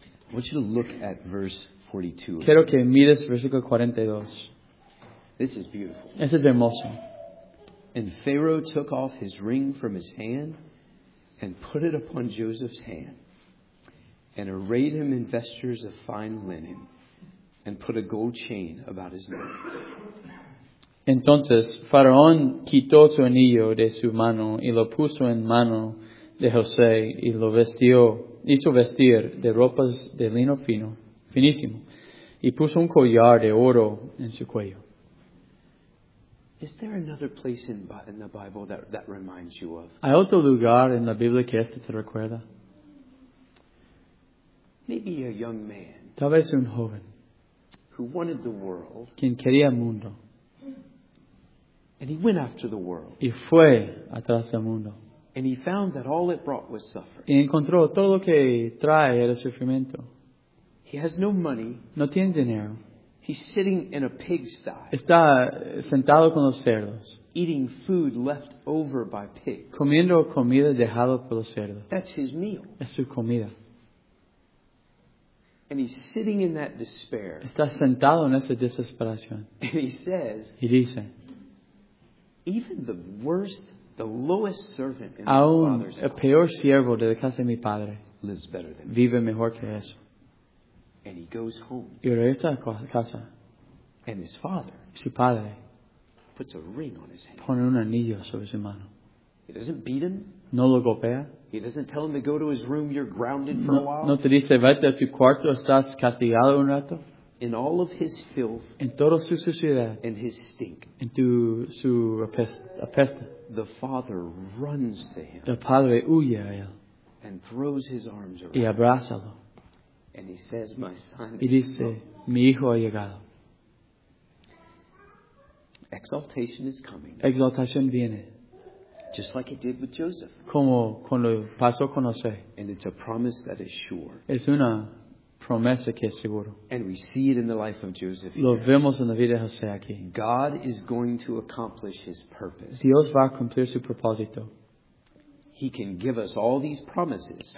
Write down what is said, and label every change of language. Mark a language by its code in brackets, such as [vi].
[en] I want you to look at verse 42. [es] Quiero que mires versículo 42. [en] This is beautiful. [es] Este es hermoso. [en] And Pharaoh took off his ring from his hand and put it upon Joseph's hand and arrayed him in vestures of fine linen and put a gold chain about his neck. [es] Entonces, Faraón quitó su anillo de su mano y lo puso en mano de José y lo vestió. Hizo vestir de ropas de lino fino, finísimo, y puso un collar de oro en su cuello. [en] Is there another place in the Bible that reminds you of? [es] ¿Hay otro lugar en la Biblia que este te recuerda? [en] Maybe a young man. [es] Tal vez un joven. [en] Who wanted the world. [es] Quien quería el mundo. [en] And he went after the world. [es] Y fue atrás del mundo. [en] And he found that all it brought was suffering. [es] Y encontró todo lo que trae era sufrimiento. [en] He has no money. [es] No tiene dinero. [en] He's sitting in a pigsty. [es] Está sentado con los cerdos. [en] Eating food left over by pigs. [es] Comiendo comida dejada por los cerdos. [en] That's his meal. [es] Es su comida. [en] And he's sitting in that despair. [es] Está sentado en esa desesperación. [en] And he says, [es] y dice, [en] even the worst, the lowest servant in my father's house. [es] Aún el peor siervo de la casa de mi padre. [en] Lives better than [es] vive mejor que eso. [en] And he goes home. [es] Y regresa a casa. [en] And his father. [es] Su padre. [en] Puts a ring on his hand. [es] Pone un anillo sobre su mano. [en] He doesn't beat him. [es] No lo golpea. [en] He doesn't tell him to go to his room. You're grounded for no, a while. [es] No te dice vete a tu cuarto. Estás castigado un rato. [en] In all of his filth. [es] En toda su suciedad. [en] And his stink. [es] En su apesta. [en] The father runs to him. [es] El padre huye a él. [en] And throws his arms around. [es] Y abrázalo. [en] And he says, my son [es] y dice, mi hijo ha llegado. [en] Exaltation is coming. [es] Exaltación viene. [en] Just like it did with Joseph. [es] Como cuando pasó con José. [en] And it's a promise that is sure. [es] Es una promesa que es seguro. [en] And we see it in the life of Joseph. [es] Lo vemos en la vida de José aquí. [en] God is going to accomplish his purpose. [es] Dios va a cumplir su propósito. [en] He can give us all these promises.